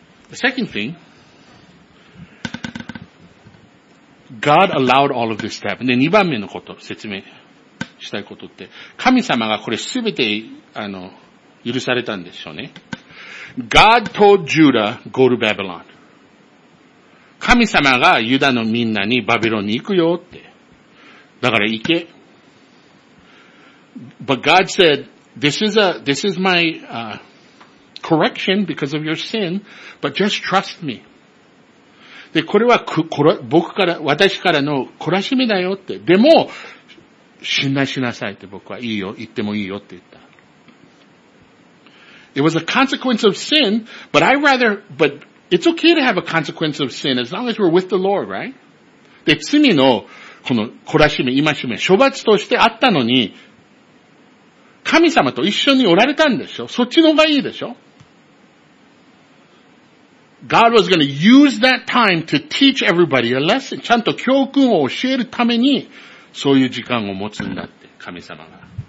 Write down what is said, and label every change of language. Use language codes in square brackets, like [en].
[en] The second thing, God allowed all of this to happen. [ja] で、二番目のこと、説明したいことって、神様がこれすべて、許されたんでしょうね。 [en] God told Judah, go to Babylon. [ja] 神様がユダのみんなにバビロンに行くよって。だから行け。 [en] But God said, this is my correction because of your sin, but just trust me. [ja] で、これは私からの懲らしめだよって。でも、信頼しなさいって僕はいいよ、言ってもいいよって言った。 [en] It was a consequence of sin, but it's okay to have a consequence of sin as long as we're with the Lord, right? [ja] で、罪のこの懲らしめ、今しめ、処罰としてあったのに、神様と一緒におられたんでしょ？そっちの方がいいでしょ？ [en] God was going to use that time to teach everybody a lesson. [ja] ちゃんと教訓を教えるために、そういう時間を持つんだって、神様が。